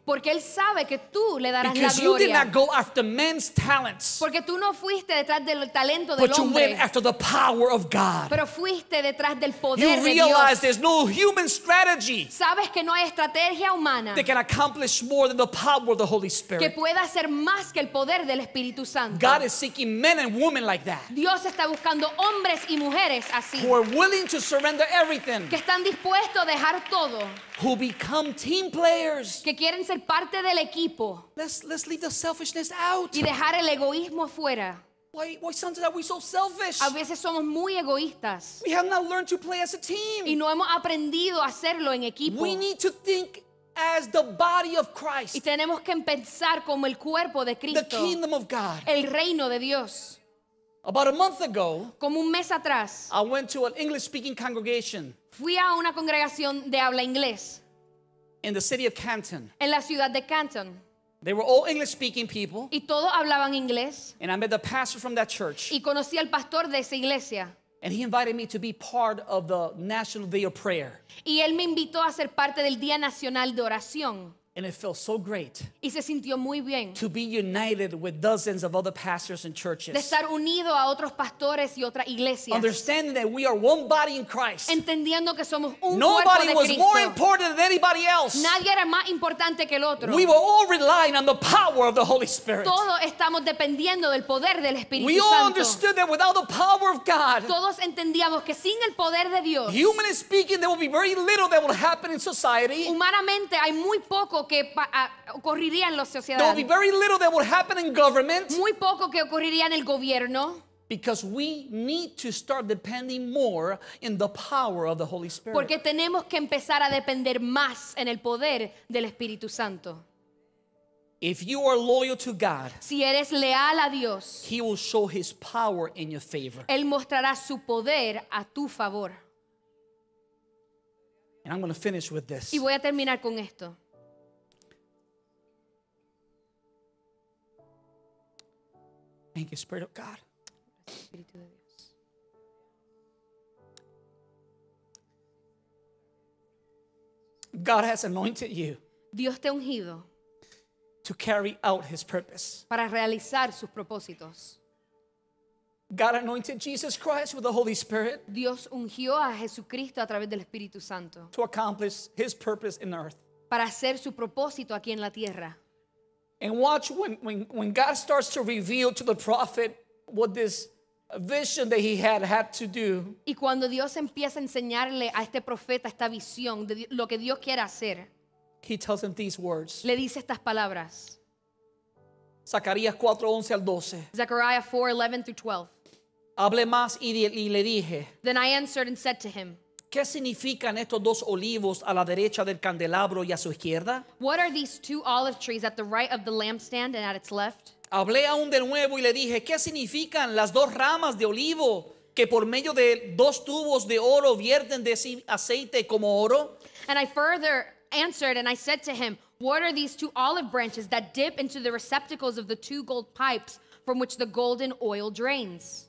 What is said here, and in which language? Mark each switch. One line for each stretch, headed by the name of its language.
Spanish: Porque él sabe que tú le darás la gloria.
English: Because you did not go after men's talents.
Spanish: Porque tú no fuiste detrás del talento del hombre.
English: But you went after the power of God.
Spanish: Pero fuiste detrás del poder de Dios.
English: You realize there's no human strategy.
Spanish: Sabes que no hay estrategia humana.
English: That can accomplish more than the power of the Holy Spirit.
Spanish: Que pueda ser más que el poder del Espíritu Santo.
English: God is seeking men and women like that.
Spanish: Dios está buscando hombres y mujeres así.
English: Who are willing to surrender everything.
Spanish: Que están dispuestos a dejar todo.
English: Who become team players.
Spanish: Que quieren ser parte del equipo.
English: Let's leave the selfishness out.
Spanish: Y dejar el egoísmo afuera.
English: Why sometimes are we so selfish?
Spanish: A veces somos muy egoístas.
English: We have not learned to play as a team.
Spanish: Y no hemos aprendido a hacerlo en equipo.
English: We need to think as the body of Christ.
Spanish: Y tenemos que pensar como el cuerpo de Cristo.
English: The kingdom of God.
Spanish: El reino de Dios.
English: About a month ago.
Spanish: Como un mes atrás.
English: I went to an English speaking congregation.
Spanish: Fui a una congregación de habla inglés.
English: In the city of Canton.
Spanish: En la ciudad de Canton.
English: They were all English speaking people.
Spanish: Y todos hablaban inglés.
English: And I met the pastor from that church.
Spanish: Y conocí al pastor de esa iglesia.
English: And he invited me to be part of the National Day of Prayer.
Spanish: Y él me invitó a ser parte del Día Nacional de Oración.
English: And it felt so great.
Spanish: Y se sintió muy bien.
English: To be united with dozens of other pastors and churches.
Spanish: De estar unido a otros pastores y otras iglesias.
English: Understanding that we are one body in Christ.
Spanish: Entendiendo que somos un cuerpo de
English: Cristo. Nobody was more important than anybody else.
Spanish: Nadie era más importante que el otro.
English: We were all relying on the power of the Holy Spirit.
Spanish: Todos estamos dependiendo del poder del Espíritu
English: We all understood that without the power of God.
Spanish: Todos entendíamos que sin el poder de Dios.
English: Humanly speaking, there will be very little that will happen in society.
Spanish: Humanamente hay muy poco que ocurriría en la sociedad.
English: There will be very little that will happen in government.
Spanish: Muy poco que ocurriría en el gobierno.
English: Because we need to start depending more in the power of the Holy Spirit.
Spanish: Porque tenemos que empezar a depender más en el poder del Espíritu Santo.
English: If you are loyal to God,
Spanish: si eres leal a Dios,
English: he will show his power in your favor.
Spanish: Él mostrará su poder a tu favor.
English: And I'm going to finish with this.
Spanish: Y voy a terminar con esto.
English: Thank you, Spirit of God. God has anointed you.
Spanish: Dios te ha ungido.
English: To carry out His purpose.
Spanish: Para realizar sus propósitos.
English: God anointed Jesus Christ with the Holy Spirit.
Spanish: Dios ungió a Jesucristo a través del Espíritu Santo.
English: To accomplish His purpose in earth.
Spanish: Para hacer su propósito aquí en la tierra.
English: And watch when God starts to reveal to the prophet what this vision that he had to do.
Spanish: Y cuando Dios empieza a enseñarle a este profeta esta visión de lo que Dios quiere hacer.
English: He tells him these words.
Spanish: Le dice estas palabras. Zacarías 4:11 al 12.
English: Zechariah 4:11 through 12.
Spanish: Hablé más y le dije.
English: Then I answered and said to him.
Spanish: ¿Qué significan estos dos olivos a la derecha del candelabro y a su izquierda?
English: What are these two olive trees at the right of the lampstand and at its left?
Spanish: Hablé aún de nuevo y le dije, ¿qué significan las dos ramas de olivo que por medio de dos tubos de oro vierten de sí aceite como oro?
English: And I further answered and I said to him, what are these two olive branches that dip into the receptacles of the two gold pipes from which the golden oil drains?